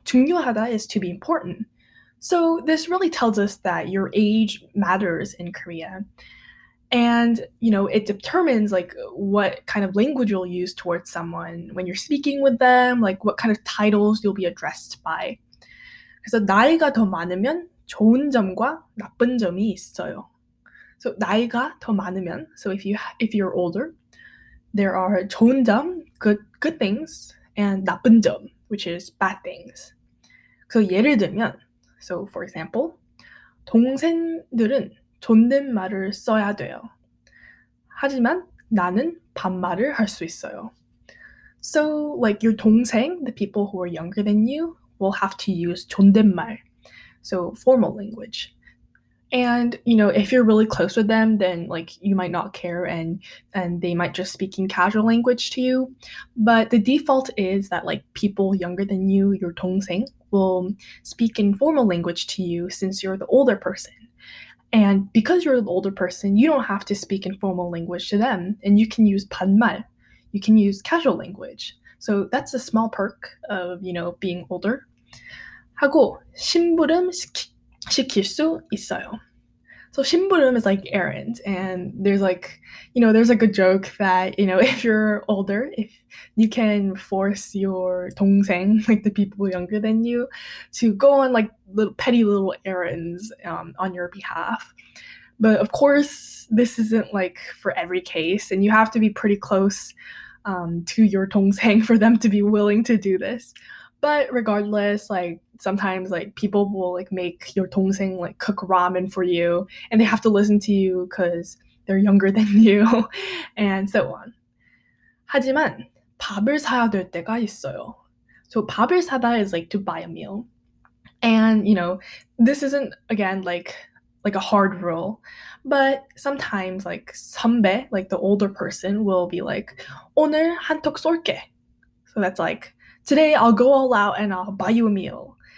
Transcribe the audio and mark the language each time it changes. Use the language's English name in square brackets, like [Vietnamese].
[English] 중요하다 is to be important. So this really tells us that your age matters in Korea. And, you know, it determines like what kind of language you'll use towards someone when you're speaking with them, like what kind of titles you'll be addressed by. [Korean] 그래서 나이가 더 많으면 좋은 점과 나쁜 점이 있어요. [English] So [Korean] 나이가 더 많으면, [English] so if you're older, there are 좋은 점, good things, and 나쁜 점, which is bad things. [Korean] 그래서 예를 들면, [English] so for example, [Korean] 동생들은 존댓말을 써야 돼요. 하지만 나는 반말을 할 수 있어요. [English] So like your 동생, the people who are younger than you, will have to use 존댓말. So formal language. And, you know, if you're really close with them, then like you might not care and they might just speak in casual language to you. But the default is that like people younger than you, your 동생, will speak in formal language to you since you're the older person. And because you're the older person, you don't have to speak in formal language to them. And you can use 반말. You can use casual language. So that's a small perk of, you know, being older. [Korean] 하고 심부름 시킬 수 있어요. [English] So 심부름 is like errand, and there's like, you know, there's like a joke that, you know, if you're older, if you can force your 동생, like the people younger than you, to go on like little petty little errands on your behalf. But of course, this isn't like for every case, and you have to be pretty close to your 동생 for them to be willing to do this. But regardless, like, sometimes, like, people will, like, make your 동생, like, cook ramen for you, and they have to listen to you because they're younger than you, and so on. [Korean] 하지만, 밥을 사야 될 때가 있어요. [English] So, 밥을 사다 is, like, to buy a meal. And, you know, this isn't, again, like a hard rule, but sometimes, like, 선배, like, the older person will be, like, [Korean] 오늘 한턱 쏠게. [English] So, that's, like, today I'll go all out and I'll buy you a meal.